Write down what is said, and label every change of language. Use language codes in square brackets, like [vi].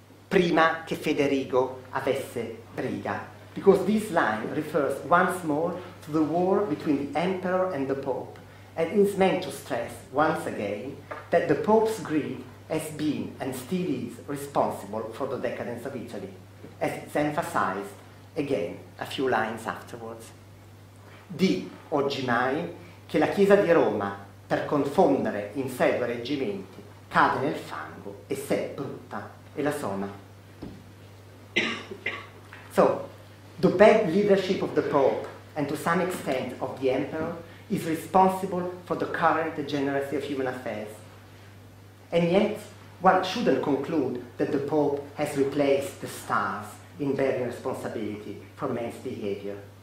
[it] prima che Federigo avesse briga, [en] because this line refers once more to the war between the emperor and the pope, and is meant to stress once again that the pope's greed has been and still is responsible for the decadence of Italy, as it's emphasized again a few lines afterwards. [it] Di oggi mai che la Chiesa di Roma, per confondere in sé due reggimenti, cade nel fango e se brutta e la soma. [en] So, the bad leadership of the Pope and to some extent of the Emperor is responsible for the current degeneracy of human affairs. And yet, one shouldn't conclude that the Pope has replaced the stars in bearing responsibility for man's behavior.